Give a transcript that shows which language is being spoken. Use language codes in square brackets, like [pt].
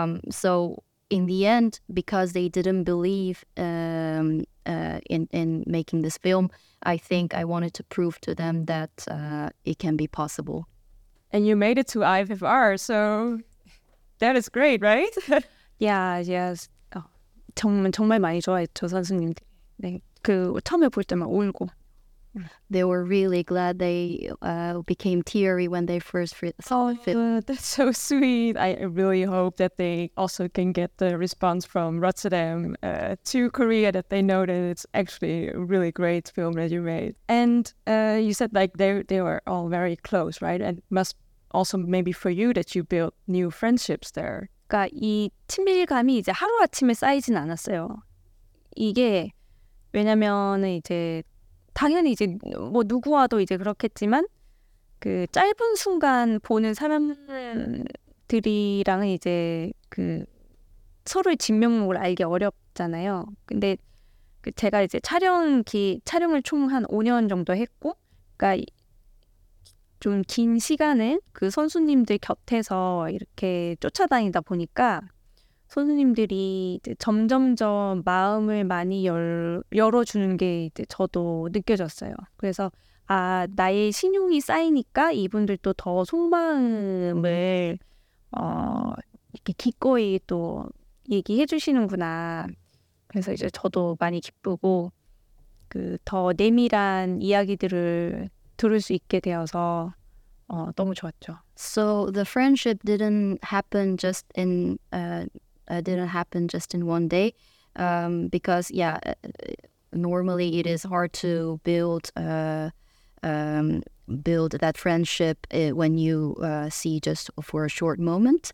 [en] So in the end, because they didn't believe in making this film, I think I wanted to prove to them that it can be possible. And you made it to IFFR, so that is great, right? Yeah, yes. Oh, [ko] 정말 많이 좋아했죠, 선수님들. 네, 그 처음에 볼 때만 울고. [en] They were really glad they became teary when they first saw it. Oh, that's so sweet. I really hope that they also can get the response from Rotterdam to Korea that they know that it's actually a really great film that you made. And you said like they were all very close, right? And must also maybe for you that you built new friendships there. [ko] 그러니까 이 친밀감이 이제 하루아침에 쌓이진 않았어요. 이게 왜냐면 이제 당연히 이제 뭐 누구와도 이제 그렇겠지만 그 짧은 순간 보는 사람들이랑은 이제 그 서로의 진면목을 알기 어렵잖아요. 근데 그 제가 이제 촬영을 총 한 5년 정도 했고 그러니까 좀 긴 시간을 그 선수님들 곁에서 이렇게 쫓아다니다 보니까 선수님들이 이제 점점점 마음을 많이 열어주는 게 이제 저도 느껴졌어요. 그래서 아 나의 신용이 쌓이니까 이분들도 더 속마음을 이렇게 기꺼이 또 얘기해 주시는구나. 그래서 이제 저도 많이 기쁘고 그 더 내밀한 이야기들을 들을 수 있게 되어서 너무 좋았죠. [en] So the friendship didn't happen just in didn't happen just in one day because yeah normally it is hard to build that friendship when you see just for a short moment